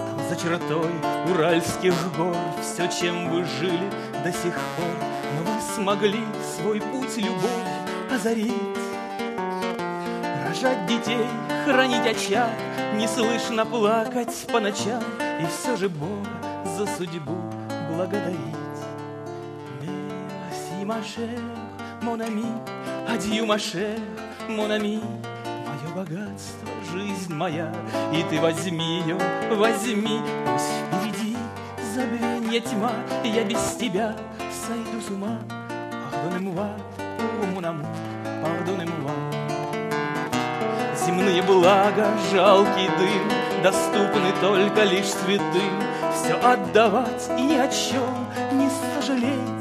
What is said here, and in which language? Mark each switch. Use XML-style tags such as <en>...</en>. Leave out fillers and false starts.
<ru>За чертой уральских гор все, чем вы жили до сих пор, но вы смогли свой путь любовь озарить. Рожать детей, хранить очаг, не слышно плакать по ночам, и все же Бога за судьбу благодарить.</ru> <fr>Merci ma chère, mon ami, adieu ma chère, mon ami.</fr> <ru>Мое богатство, жизнь моя, и ты возьми ее, возьми. Пусть впереди забвенья тьма, и я без тебя сойду с ума.</ru> <fr>Pardonnez-moi, oh mon amour, pardonnez-moi.</fr> <ru>Земные блага, жалкий дым, доступны только лишь святым. Все отдавать и ни о чем не сожалеть.</ru>